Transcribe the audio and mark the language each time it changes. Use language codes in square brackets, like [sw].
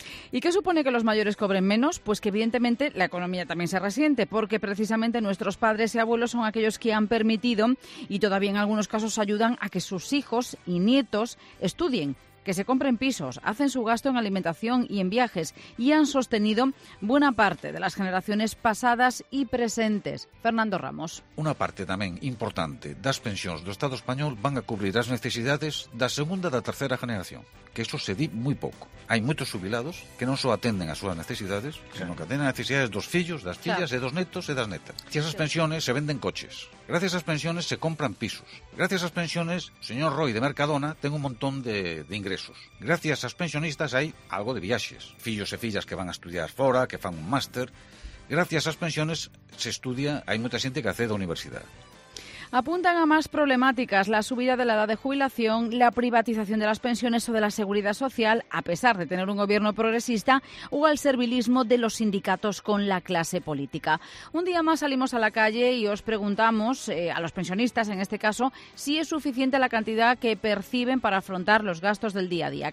[es] ¿Y qué supone que los mayores cobren menos? Pues que evidentemente la economía también se resiente, porque precisamente nuestros padres y abuelos son aquellos que han permitido y todavía en algunos casos ayudan a que sus hijos y nietos estudien, que se compren pisos, hacen su gasto en alimentación y en viajes y han sostenido buena parte de las generaciones pasadas y presentes. Fernando Ramos. [gl] Una parte también importante das pensións do Estado español van a cubrir as necesidades da segunda e da terceira generación, que eso se di moi pouco. Hai moitos xubilados que non só atenden as súas necesidades, senón que atenden as necesidades dos fillos, das fillas, e dos netos e das netas. Se esas pensiones se venden coches. Gracias ás pensiones se compran pisos. Gracias ás pensiones, o señor Roy de Mercadona ten un montón de ingresos. Gracias ás pensionistas hai algo de viaxes. Fillos e fillas que van a estudiar fora, que fan un máster. Gracias ás pensiones se estudia, hai moita xente que accede á universidade. [es] Apuntan a más problemáticas, la subida de la edad de jubilación, la privatización de las pensiones o de la seguridad social, a pesar de tener un gobierno progresista, o al servilismo de los sindicatos con la clase política. Un día más salimos a la calle y os preguntamos, a los pensionistas en este caso, si es suficiente la cantidad que perciben para afrontar los gastos del día a día.